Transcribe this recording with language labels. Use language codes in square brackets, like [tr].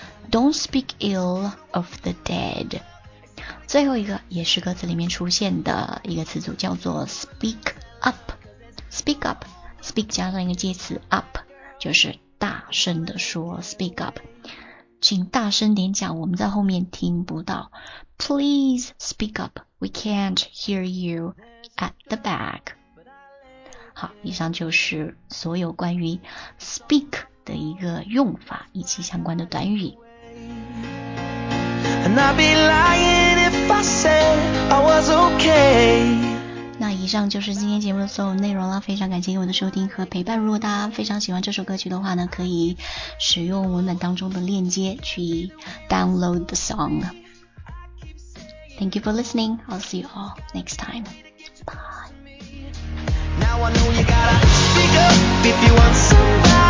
[en] Don't speak ill of the dead。 [zh] 最后一个也是歌词里面出现的一个词组，叫做 [en] speak up。 speak up， [zh] speak 加上一个介词 up， 就是大声的说。 [en] speak up， [zh] 请大声点讲，我们在后面听不到。 [en] please speak up， we can't hear you at the back。 [zh] 好，以上就是所有关于 speak 的一个用法以及相关的短语。 [en] And I'd be lying if I said I was okay。 [zh] 那以上就是今天节目的所有内容了，非常感谢我的收听和陪伴。如果大家非常喜欢这首歌曲的话呢，可以使用文本当中的链接去 [en] download the song。 Thank you for listening. I'll see you all next time. Bye. Now I know you gotta speak up if you want somebody